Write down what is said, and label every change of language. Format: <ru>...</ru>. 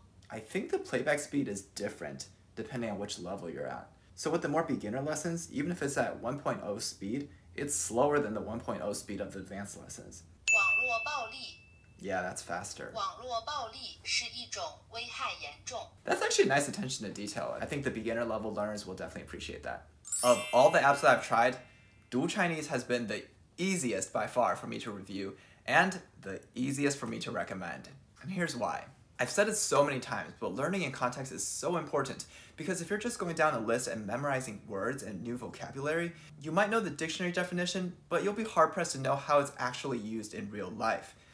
<en>I think the playback speed is different depending on which level you're at. So with the more beginner lessons, even if it's at 1.0 speed, it's slower than the 1.0 speed of the advanced lessons.</en> <zh>网络暴力.</zh> <en>Yeah, that's faster.</en> <zh>网络暴力是一种危害严重.</zh> <en>That's actually a nice attention to detail. I think the beginner level learners will definitely appreciate that. Of all the apps that I've tried, Du Chinese has been the easiest by far for me to review and the easiest for me to recommend. And here's why. I've said it so many times, but learning in context is so important because if you're just going down a list and memorizing words and new vocabulary, you might know the dictionary definition, but you'll be hard-pressed to know how it's actually used in real life.</en>